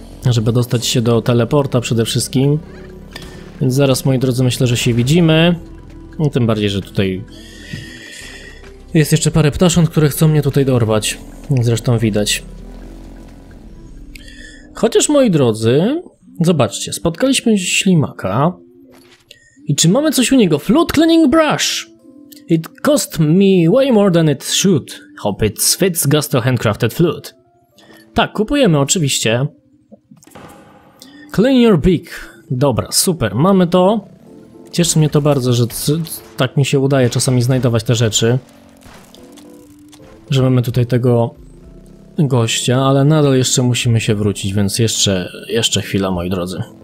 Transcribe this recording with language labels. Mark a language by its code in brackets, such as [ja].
[pl] Żeby dostać się do teleporta przede wszystkim. Więc zaraz, moi drodzy, myślę, że się widzimy. No, tym bardziej, że tutaj... Jest jeszcze parę ptasząt, które chcą mnie tutaj dorwać. Zresztą widać. Chociaż, moi drodzy... Zobaczcie, spotkaliśmy ślimaka. I czy mamy coś u niego? [en] Flood cleaning brush! It cost me way more than it should. Hope it fits gusto handcrafted flood. [pl] Tak, kupujemy oczywiście. [en] Clean your beak. [pl] Dobra, super, mamy to. Cieszy mnie to bardzo, że tak mi się udaje czasami znajdować te rzeczy. Że mamy tutaj tego gościa, ale nadal jeszcze musimy się wrócić, więc jeszcze chwila, moi drodzy.